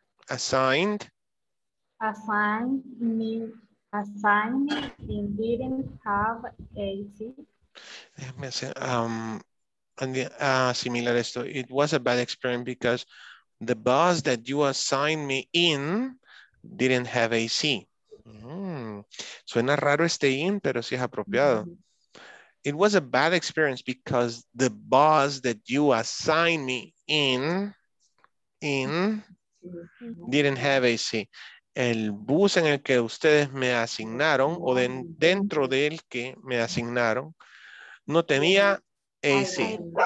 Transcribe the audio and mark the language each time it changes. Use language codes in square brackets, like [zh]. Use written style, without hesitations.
[en] Assigned me assignment didn't have AC. [es] Déjame hacer, similar esto. [en] It was a bad experience because the bus that you assigned me in didn't have AC. [es] Suena raro este in, pero sí es apropiado. [en] It was a bad experience because the bus that you assigned me in didn't have AC. [es] El bus en el que ustedes me asignaron o de, dentro del que me asignaron no tenía AC.